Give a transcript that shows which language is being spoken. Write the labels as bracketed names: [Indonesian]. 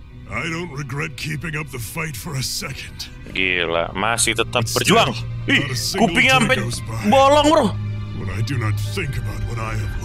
[English] I don't regret keeping up the fight for a second. [Indonesian] Gila, masih tetap berjuang. Ih, kupingnya sampai bolong, bro. [English] When I do not think about what I have lost.